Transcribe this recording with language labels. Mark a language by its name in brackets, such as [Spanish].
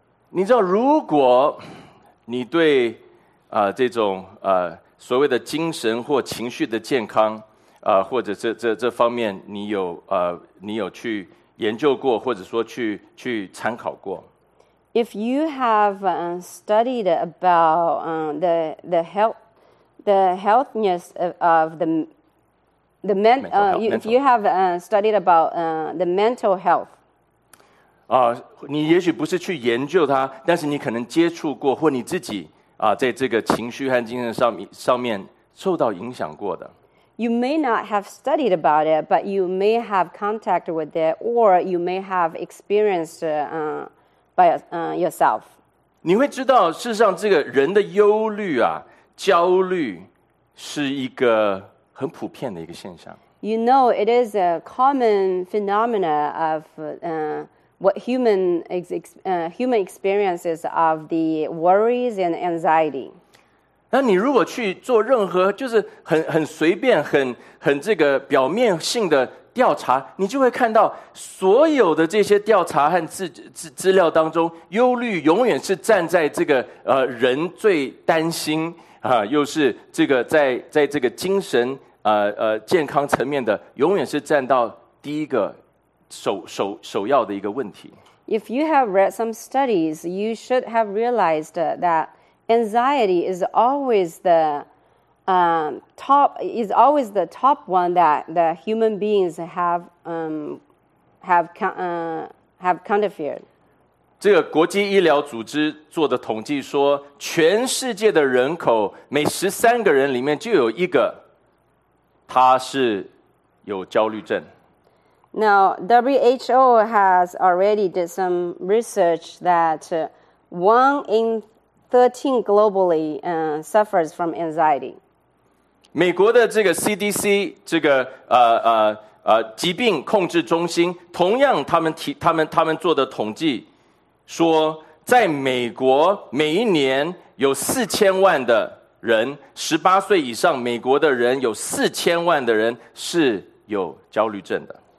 [Chinese] 你知道，如果你对这种所谓的精神或情绪的健康或者这方面，你有去研究过，或者说去参考过。 [English] If you have studied about the mental health. [Chinese] 你也许不是去研究它，但是你可能接触过，或你自己在这个情绪和精神上面受到影响过的。 [English] You may not have studied about it, but you may have contact with it, or you may have experienced by yourself. [Chinese] 你会知道，事实上，这个人的忧虑啊，焦虑，是一个很普遍的一个现象。 [English] You know, it is a common phenomena of what human experiences of the worries and anxiety. [Chinese] 那你如果去做任何就是很随便很这个表面性的调查，你就会看到所有的这些调查和资料当中，忧虑永远是站在这个人最担心又是这个在这个精神健康层面的，永远是站到第一个首要的一个问题。 [English] If you have read some studies, you should have realized that anxiety is always the top one that the human beings have kind of feared. [Chinese] 这个国际医疗组织做的统计说，全世界的人口每13个人里面就有一个，他是有焦虑症。 [English] Now, WHO has already did some research that one in 13 globally suffers from anxiety. [Chinese] 美国的这个 CDC 这个疾病控制中心，同样他们做的统计说，在美国每一年有4000万的人，18岁以上美国的人有4000万的人是有焦虑症的。